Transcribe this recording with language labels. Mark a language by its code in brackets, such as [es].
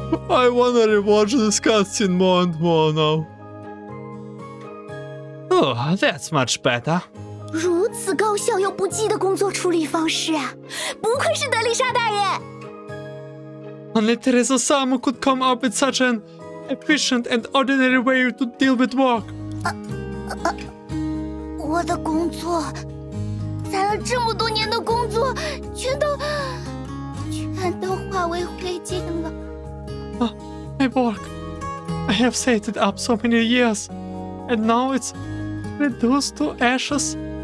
[en] I want to rewatch this cutscene more and more now. Oh, that's much better. [zh] 如此高效又不羁的工作处理方式啊，不愧是德丽莎大爷。 [en] Only Teresa-sama could come up with such an efficient and ordinary way to deal with work. [zh] 我的工作，攒了这么多年的工作，全都化为灰烬了。 [en] My work. I have saved it up so many years, and now it's reduced to ashes.